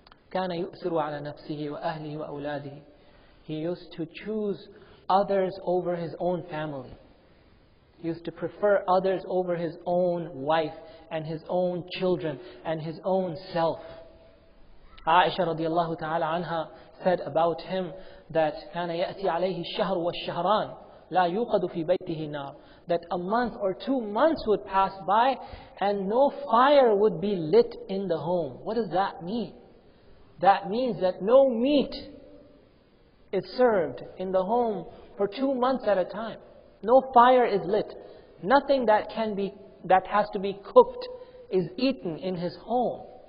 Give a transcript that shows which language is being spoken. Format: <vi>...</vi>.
<ar>كان يؤثر على نفسه وأهله وأولاده.</ar> <en>He used to choose others over his own family. He used to prefer others over his own wife and his own children and his own self. Aisha radiallahu ta'ala anha said about him that</en> <ar>كان يأتي عليه الشهر والشهران لا يوقد في بيته نار.</ar> <en>That a month or 2 months would pass by and no fire would be lit in the home. What does that mean? That means that no meat is served in the home for 2 months at a time. No fire is lit. Nothing that can be that has to be cooked is eaten in his home.</en>